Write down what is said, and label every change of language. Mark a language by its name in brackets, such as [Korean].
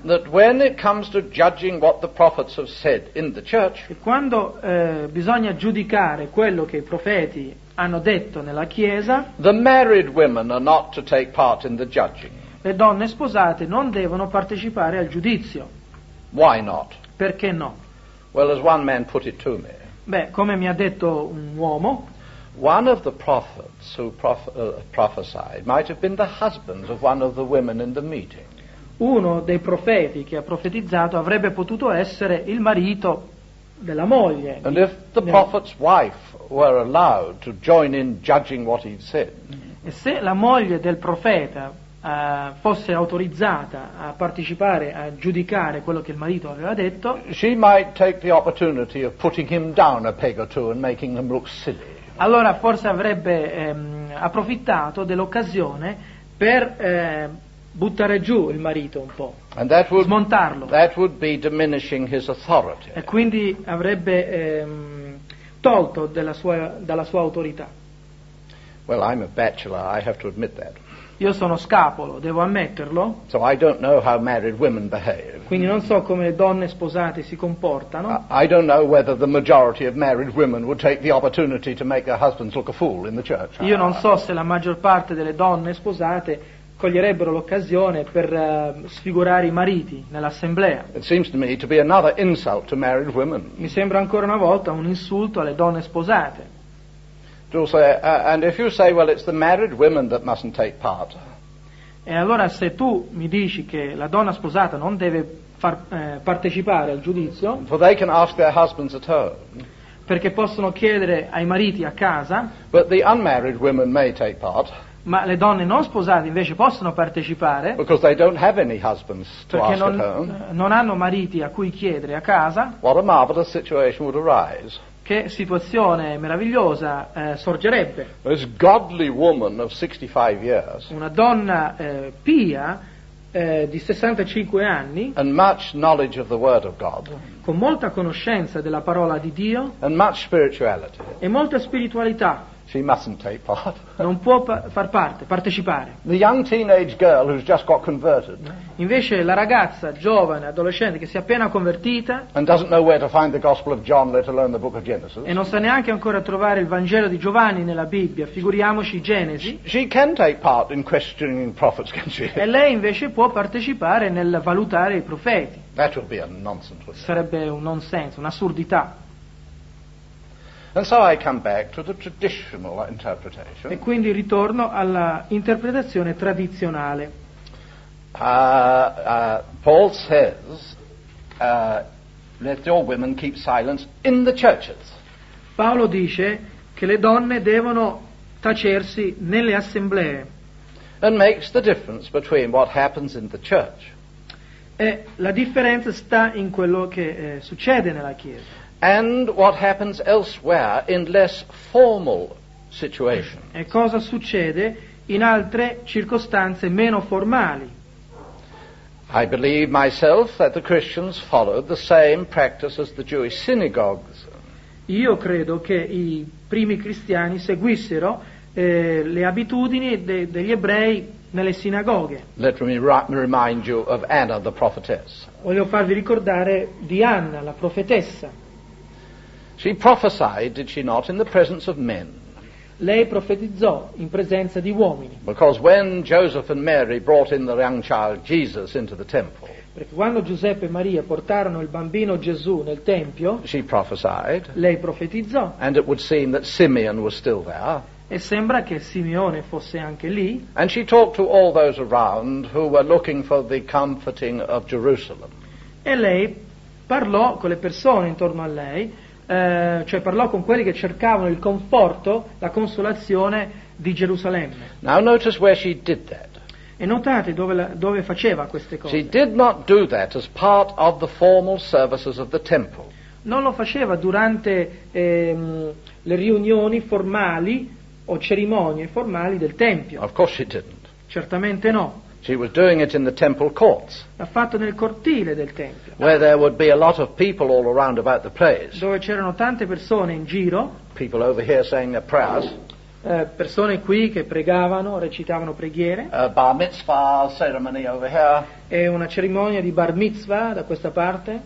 [English] that when it comes to judging what the prophets have said in the church, [Italian] che quando bisogna giudicare quello che i profeti hanno detto nella chiesa, [English] the married women are not to take part in the judging. [Italian] Le donne sposate non devono partecipare al giudizio. [English] Why not? [Italian] Perché no? [English] Well, as one man put it to me, [Italian] beh, come mi ha detto un uomo, [English] one of the prophets who prophesied might have been the husband of one of the women in the meeting. [Italian] Uno dei profeti che ha profetizzato avrebbe potuto essere il marito della moglie. [English] And if the prophet's wife were allowed to join in judging what he said, [Italian] e se la moglie del profeta fosse autorizzata a partecipare a giudicare quello che il marito aveva detto, [English] she might take the opportunity of putting him down a peg or two and making him look silly. [Italian] Allora forse avrebbe approfittato dell'occasione per buttare giù il marito un po', [English] and that would, [Italian] smontarlo. [English] That would be diminishing his authority. [Italian] E quindi avrebbe tolto dalla sua autorità. [English] Well, I'm a bachelor, I have to admit that. [Italian] Io sono scapolo, devo ammetterlo. [English] So I don't know how married women behave. [Italian] Quindi non so come le donne sposate si comportano. [English] I don't know whether the majority of married women would take the opportunity to make their husbands look a fool in the church. [Italian] Io non so se la maggior parte delle donne sposate coglierebbero l'occasione per sfigurare i mariti nell'assemblea. [English] It seems to me to be another insult to married women. [Italian] Mi sembra ancora una volta un insulto alle donne sposate. [English] And if you say, well, it's the married women that mustn't take part. [Italian] E allora se tu mi dici che la donna sposata non deve partecipare al giudizio, [English] for they can ask their husbands at home, [Italian] perché possono chiedere ai mariti a casa, [English] but the unmarried women may take part, [Italian] ma le donne non sposate invece possono partecipare, [English] because they don't have any husbands to ask at home, [Italian] perché non hanno mariti a cui chiedere a casa, [English] what a marvelous situation would arise. [Italian] Che situazione meravigliosa sorgerebbe. [English] This godly woman of 65 years, [Italian] una donna pia di 65 anni, [English] and much knowledge of the word of God, [Italian] con molta conoscenza della parola di Dio, [English] and much spirituality, [Italian] e molta spiritualità, [English] She mustn't take part. [Italian] Non può far parte, partecipare. [English] The young teenage girl who's just got converted. [Italian] Invece la ragazza giovane, adolescente che si è appena convertita. [English] And doesn't know where to find the Gospel of John, let alone the Book of Genesis. [Italian] E non sa neanche ancora trovare il Vangelo di Giovanni nella Bibbia, figuriamoci Genesi. [English] She can take part in questioning prophets, can she? [Italian] E lei invece può partecipare nel valutare i profeti. [English] That would be a nonsense. [Italian] Sarebbe un nonsenso, un'assurdità. [English] And so I come back to the traditional interpretation. [Italian] E quindi ritorno alla interpretazione tradizionale. [English] Paul says, let your women keep silence in the churches. [Italian] Paolo dice che le donne devono tacersi nelle assemblee. [English] And makes the difference between what happens in the church. [Italian] E la differenza sta in quello che succede nella chiesa. [English] And what happens elsewhere in less formal situations. [Italian] E cosa succede in altre circostanze meno formali? [English] I believe myself that the Christians followed the same practice as the Jewish synagogues. [Italian] Io credo che i primi cristiani seguissero le abitudini degli ebrei nelle sinagoghe. [English] Let me remind you of Anna the prophetess. [Italian] Voglio farvi ricordare di Anna la profetessa. [English] She prophesied, did she not, in the presence of men? [Italian] Lei profetizzò in presenza di uomini. [English] Because when Joseph and Mary brought in the young child Jesus into the temple, [Italian] perché quando Giuseppe e Maria portarono il bambino Gesù nel tempio, [English] she prophesied. [Italian] Lei profetizzò. [English] And it would seem that Simeon was still there. [Italian] E sembra che Simeone fosse anche lì. [English] And she talked to all those around who were looking for the comforting of Jerusalem. [Italian] E lei parlò con le persone intorno a lei. Cioè parlò con quelli che cercavano il conforto, la consolazione di Gerusalemme. [English] Now notice where she did that. [Italian] E notate dove faceva queste cose. [English] She did not do that as part of the formal services of the temple. [Italian] Non lo faceva durante le riunioni formali o cerimonie formali del tempio. [English] Of course she didn't. [Italian] Certamente no. [English] She was doing it in the temple courts. [Italian] L'ha fatto nel cortile del tempio. [English] Where there would be a lot of people all around about the place. [Italian] Dove c'erano tante persone in giro. [English] People over here saying their prayers. [Italian] Persone qui che pregavano, recitavano preghiere. [English] A bar mitzvah ceremony over here. [Italian] E una cerimonia di bar mitzvah da questa parte.